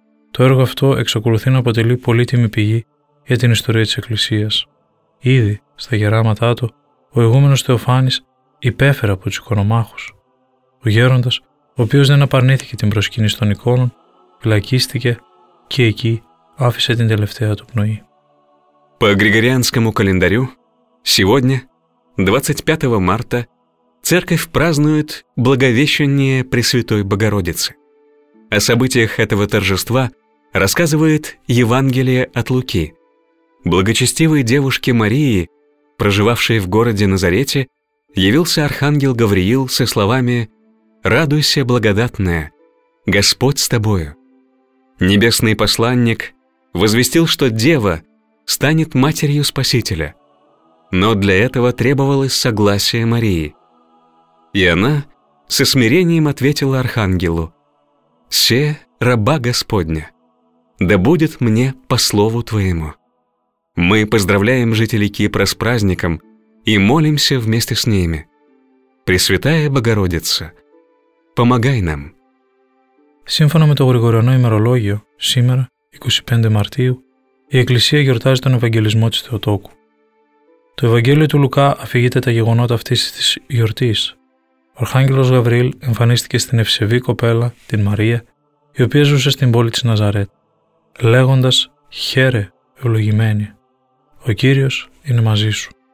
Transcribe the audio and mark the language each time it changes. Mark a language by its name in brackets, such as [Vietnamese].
[Greek] Το έργο αυτό εξακολουθεί να αποτελεί πολύτιμη πηγή για την ιστορία της Εκκλησίας. Ήδη στα γεράματά του, ο ηγούμενος Θεοφάνης υπέφερε από τους οικονομάχους. Ο γέροντας, ο οποίος δεν απαρνήθηκε την προσκύνηση των εικόνων, φυλακίστηκε και εκεί άφησε την τελευταία του πνοή. [Russian] По Григорианскому календарю, сегодня, 25 марта, церковь празднует Благовещение Пресвятой Богородицы. О событиях этого торжества рассказывает Евангелие от Луки. Благочестивой девушке Марии, проживавшей в городе Назарете, явился архангел Гавриил со словами: «Радуйся, благодатная, Господь с тобою». Небесный посланник возвестил, что Дева станет матерью Спасителя. но для этого требовалось согласие Марии. И она со смирением ответила архангелу: «Се, раба Господня, да будет мне по слову Твоему». Мы поздравляем жителей Кипра с праздником и молимся вместе с ними. Пресвятая Богородица, помогай нам. [Greek] Σύμφωνα με το Γρηγοριανό ημερολόγιο, σήμερα, 25 Μαρτίου, η Εκκλησία γιορτάζει τον Ευαγγελισμό της Θεοτόκου. Το Ευαγγέλιο του Λουκά αφηγείται τα γεγονότα αυτής της γιορτής. Ο Αρχάγγελος Γαβρίλ εμφανίστηκε στην ευσεβή κοπέλα, την Μαρία, η οποία ζούσε στην πόλη της Ναζαρέτ, λέγοντας «Χαίρε, ευλογημένη, ο Κύριος είναι μαζί σου».